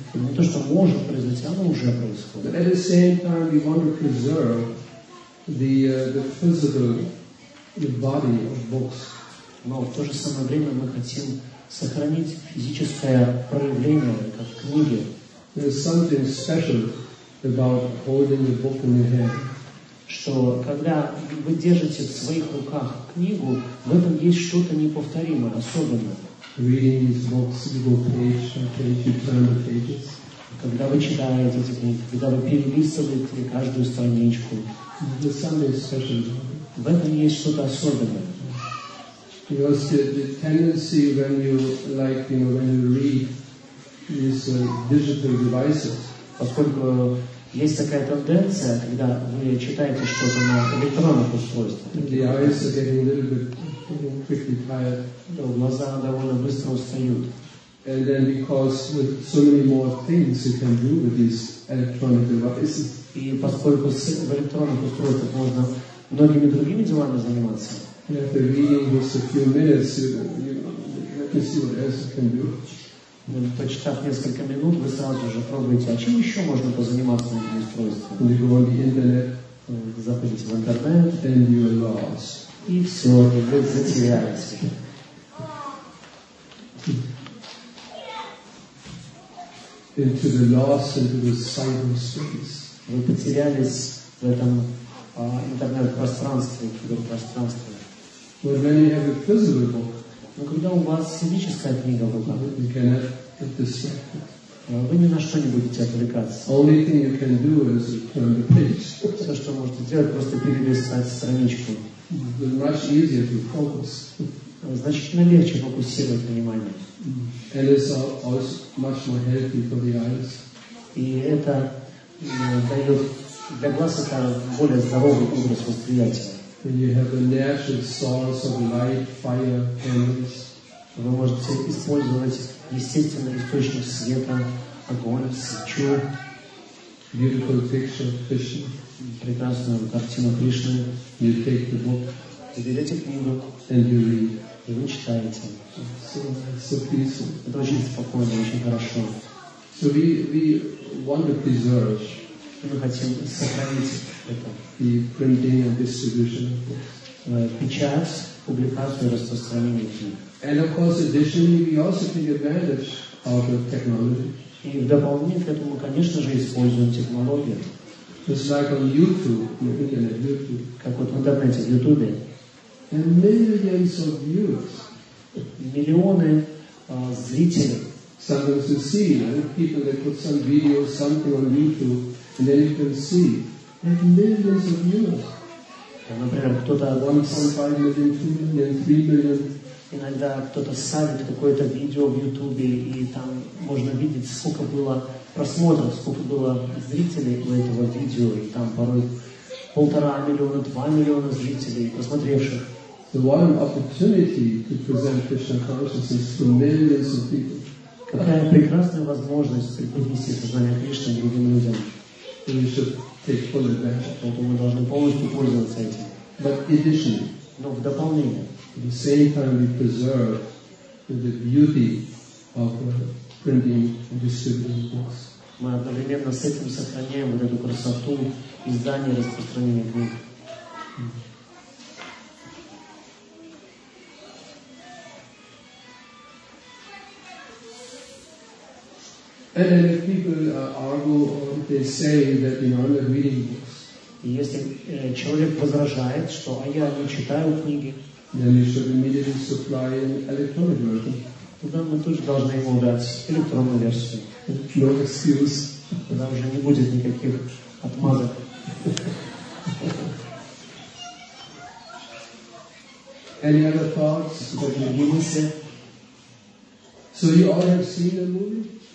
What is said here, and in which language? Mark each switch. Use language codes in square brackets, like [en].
[ru] Но то, что может произойти, оно уже происходит. [en] But at the same time, we want to preserve the physical body of books. [ru] Но в то же самое время мы хотим сохранить физическое проявление, как книги. [en] There is something special about holding the book in your hand. [ru] Что когда вы держите в своих руках книгу, в этом есть что-то неповторимое, особенное. [en] Reading these books, you go page by page, you turn the pages. [ru] Когда вы читаете эти книги, когда вы перелистываете каждую страничку, [en] there's something special about it. [ru] В этом есть что-то особенное. [en] Because the tendency when you like, you know, when you read these digital devices. [ru] Поскольку есть такая тенденция, когда вы читаете что-то на электронных устройствах. [en] The eyes are getting a little bit. [ru] Глаза довольно быстро устают. [en] And then because with so many more things you can do with these electronic devices. [ru] И поскольку в электронных устройствах можно многими другими делами заниматься. [en] And after reading just a few minutes, you see what else you can do. [ru] Почитав несколько минут, вы сразу же пробуете, а чем еще можно позаниматься на этом устройстве? [en] You go on the internet. [ru] Заходите в интернет. [en] And you are lost. [ru] И все, и вы затеряете. [en] Into the loss, into the cyberspace. [ru] Вы потерялись в этом интернет-пространстве, в киберпространстве. [en] But when you have a physical book, [ru] но когда у вас физическая книга в руках, [en] you cannot get distracted. [ru] Вы ни на что не будете отвлекаться. [en] Only thing you can do is turn the page. [ru] Все, что можете делать, просто перелистать страничку. [en] Much easier to focus. [ru] Значительно легче фокусировать внимание. [en] And it's also much more healthy for the eyes. [ru] И это дает для глаз это более здоровый образ восприятия. [en] And you have a natural source of light, fire, colors. [ru] Вы можете использовать естественный источник света, огонь, свечу. [en] Beautiful picture of Krishna. [ru] Прекрасную картину Кришны. [en] You take the book, [ru] вы берете книгу, [en] and you read. [ru] И вы читаете. [en] So peaceful. [ru] Это очень спокойно, очень хорошо. [en] So we want to preserve. [ru] И мы хотим сохранить это. [en] The printing and distribution. [ru] Печать, публикацию, распространение книг. [en] And of course, additionally, we also take advantage of the technology. [ru] И в дополнение к этому, конечно же, используем технологию. [en] Just like on YouTube, you can have YouTube. [ru] Как вот в интернете, в Ютубе. [en] And millions of views. [ru] Миллионы зрителей. [en] Sometimes you see, people that put some video, something on YouTube, and then you can see. And millions of views. [ru] Например, кто-то... [en] 1.5 million, 2 million, 3 million. [ru] Иногда кто-то ставит какое-то видео в Ютубе, и там можно видеть, сколько было... просмотров, сколько было зрителей у этого видео, и там порой 1.5 миллиона, 2 миллиона зрителей, посмотревших. [en] The one opportunity to present Krishna consciousness to millions of people. [ru] Как Какая прекрасная возможность преподнести сознание Кришны другим людям. Поэтому мы должны полностью пользоваться этим. [en] But additionally, [ru] но в дополнение, [en] at the same time we preserve the beauty of printing and distributing books. [ru] Мы одновременно с этим сохраняем вот эту красоту издания и распространения книг. [en] And then if people argue or they say that, you know, I'm not reading books. [ru] Если человек возражает, что а я не читаю книги, [en] then you should immediately supply an electronic version. [ru] Тогда мы тоже должны ему дать электронную версию. [en] No excuse. [ru] Тогда уже не будет никаких отмазок. [en] Any other thoughts? So you all have seen the movie?